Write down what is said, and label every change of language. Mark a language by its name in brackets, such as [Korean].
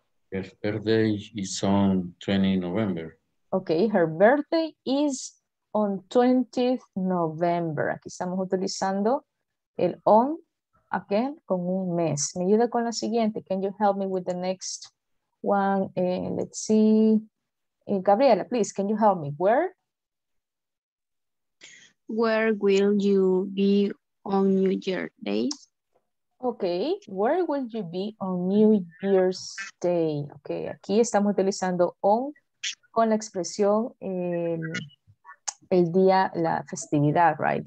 [English] Her birthday is on 20 November. Okay, her birthday is on 20th November. [Spanish] Aquí estamos utilizando el on again con un mes. Me ayuda con la siguiente. [English] Can you help me with the next one? Let's see. Gabriela, please, can you help me? Where? Where will you be on New Year's Day? Okay, where will you be on New Year's Day? [Spanish] Okay, aquí estamos utilizando on con la expresión el día, la festividad, [English] right?